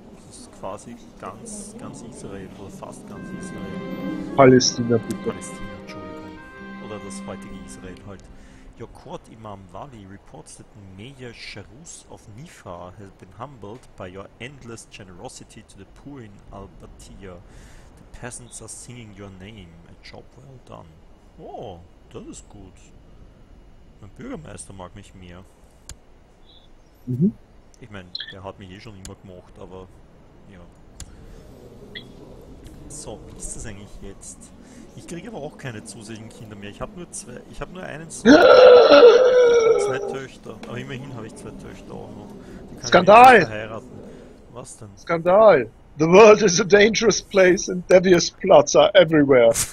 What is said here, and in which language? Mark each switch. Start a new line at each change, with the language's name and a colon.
German: Das ist quasi ganz Israel oder fast ganz Israel. Palästina, bitte. Palästina, Entschuldigung. Oder das heutige Israel halt.
English: Your court imam Wali reports that Mayor Sharus of Nifa has been humbled by your endless generosity to the poor in Albatija. The peasants are singing your name. A job well done.
German: Oh, das ist gut. Mein Bürgermeister mag mich mehr. Ich meine, der hat mich eh schon immer gemocht, aber ja. So, wie ist das eigentlich jetzt? Ich kriege aber auch keine zusätzlichen Kinder mehr. Ich habe nur einen Sohn. Und zwei Töchter. Aber immerhin habe ich zwei Töchter auch noch. Die kann ich wenigstens Skandal! verheiraten. Was denn? Skandal!
English: The world is a dangerous place and devious plots are everywhere.